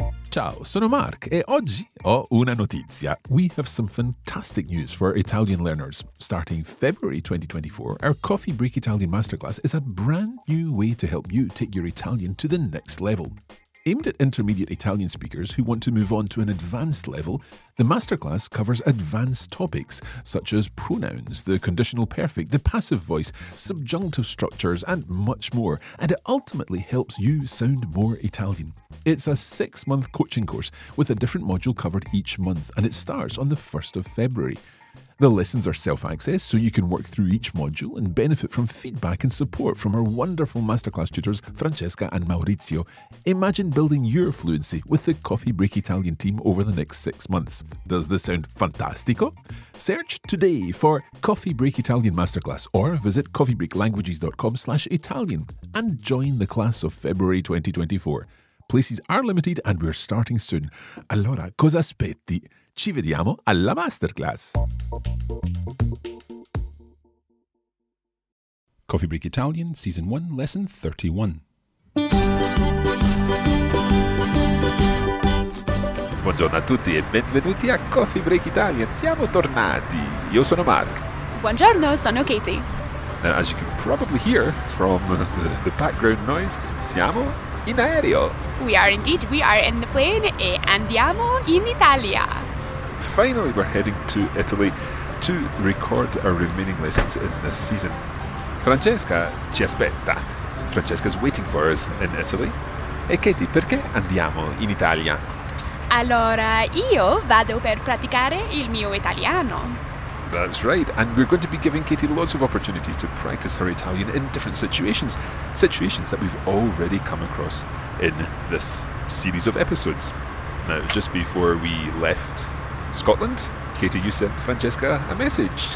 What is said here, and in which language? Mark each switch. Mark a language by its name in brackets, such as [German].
[Italian] Ciao, sono Mark e oggi ho una notizia. [English] We have some fantastic news for Italian learners. Starting February 2024, our Coffee Break Italian Masterclass is a brand new way to help you take your Italian to the next level. Aimed at intermediate Italian speakers who want to move on to an advanced level, the masterclass covers advanced topics such as pronouns, the conditional perfect, the passive voice, subjunctive structures, and much more, and it ultimately helps you sound more Italian. It's a six-month coaching course with a different module covered each month, and it starts on the 1st of February. The lessons are self-access, so you can work through each module and benefit from feedback and support from our wonderful masterclass tutors, Francesca and Maurizio. Imagine building your fluency with the Coffee Break Italian team over the next 6 months. Does this sound fantastico? Search today for Coffee Break Italian Masterclass or visit coffeebreaklanguages.com/Italian and join the class of February 2024. Places are limited and we're starting soon. [Italian] Allora, cosa aspetti? Ci vediamo alla masterclass. [English] Coffee Break Italian, Season 1, Lesson 31. [Italian] Buongiorno a tutti e benvenuti a Coffee Break Italian. Siamo tornati. Io sono Mark. Buongiorno, sono Katie. [English] Now, as you can probably hear from the background noise, [Italian] siamo in aereo. [English] We are indeed. We are in the plane [Italian] e andiamo in Italia. [English] Finally, we're heading to Italy to record our remaining lessons in this season. [Italian] Francesca ci aspetta. [English] Francesca's waiting for us in Italy. [Italian] E Katie, perché andiamo in Italia? Allora, io vado per praticare il mio italiano. [English] That's right, and we're going to be giving Katie lots of opportunities to practice her Italian in different situations, situations that we've already come across in this series of episodes. Now, just before we left Scotland, Katie, you sent Francesca a message.